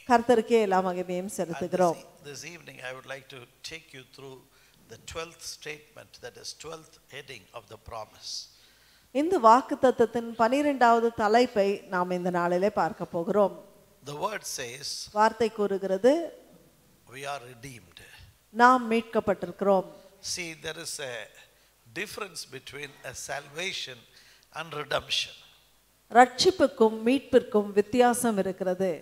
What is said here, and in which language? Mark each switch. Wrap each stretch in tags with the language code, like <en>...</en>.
<ta>கர்த்தருக்கே எல்லா மகிமையும் செலுத்துகிறோம்.</ta> <en>This evening I would like to take you through the 12th statement, that is 12th heading of the promise.</en> <ta>இந்த வாக்குத்தத்தத்தின் 12வது தலைப்பை நாம் இந்த நாளிலே பார்க்க போகிறோம்.</ta> <en>The word says,</en> <ta>வார்த்தை கூறுகிறது,</ta> <en>we are redeemed.</en> <ta>நாம் மீட்கப்பட்டிருக்கிறோம்.</ta> <en>See, there is a difference between a salvation and redemption.</en> <ta>ரட்சிப்புக்கும் மீட்பிற்கும் வித்தியாசம் இருக்கிறது.</ta>